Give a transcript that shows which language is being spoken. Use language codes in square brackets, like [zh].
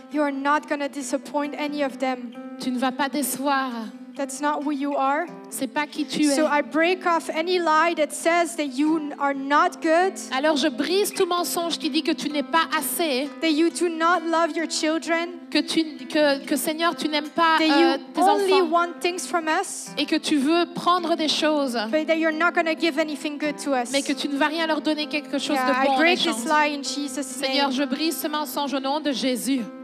[en] You are not going to disappoint any of them. [fr] Tu ne vas pas décevoir. [en] That's not who you are. [fr] C'est pas qui tu es. [en] So I break off any lie that says that you are not good. [fr] Alors je brise tout mensonge qui dit que tu n'es pas assez. [en] That you do not love your children. [fr] Que Seigneur, tu n'aimes pas tes enfants. [en] That you only want things from us. [fr] Et que tu veux prendre des choses. [en] But that you're not going to give anything good to us. [fr] Mais que tu ne vas rien leur donner quelque chose de bon. [en] I break this lie in Jesus' name. [fr] Seigneur, je brise ce mensonge au nom de Jésus.